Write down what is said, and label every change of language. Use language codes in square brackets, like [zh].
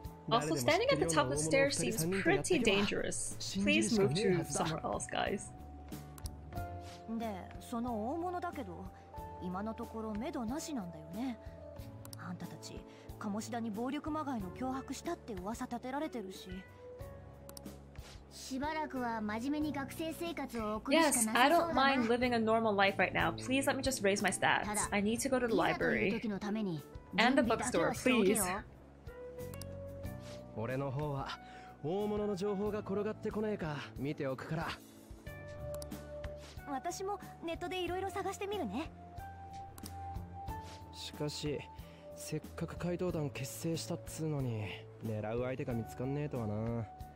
[en] Also, standing at the top of the stairs seems pretty dangerous. Please move to somewhere else, guys. [ja] で、その大物だけど、今のところ目処なしなんだよね。あんたたち鴨志田に暴力まがいの脅迫したって噂立てられてるし。しばらくは真面目に学生生活を送るしかなさそうだな。 [en] Yes, I don't mind living a normal life right now. Please let me just raise my stats. I need to go to the library and the bookstore, please. [ja] 俺の方は大物の情報が転がってこねえか見ておくから。私もネットでいろいろ探してみるね。しかしせっかく怪盗団結成したっつうのに狙う相手が見つかんねえとはな。